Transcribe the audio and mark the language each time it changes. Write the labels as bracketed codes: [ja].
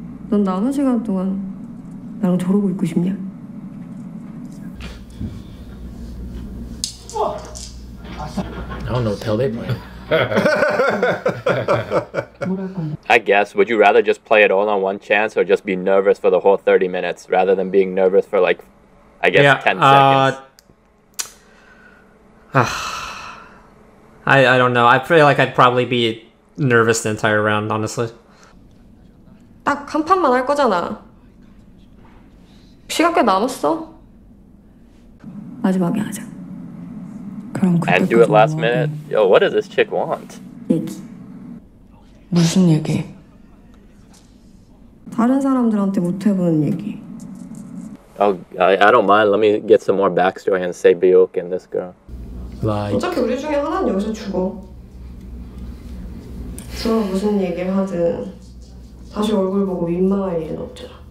[ko] 넌 남은 시간 동안 나랑 저러고 있고 싶냐? [en] I don't know what the hell they playing. I guess, would you rather just play it all on one chance or just be nervous for the whole 30 minutes rather than being nervous for like, I guess, yeah, 10 seconds? I don't know. I feel like I'd probably be nervous the entire round, honestly. [ko] 딱 한 판만 할 거잖아. 시간 꽤 남았어. 마지막에 하자. [en] And do it last minute? Yo, what does this chick want? [ko] 얘기. 무슨 얘기? 다른 사람들한테 못 해보는 얘기. [en] Oh, I don't mind. Let me get some more backstory and say Biok and this girl. Like. [ko] 어차피 우리 중에 하나는 여기서 죽어. 누가 무슨 얘기를 하든 다시 얼굴 보고 민망할 일은 없잖아.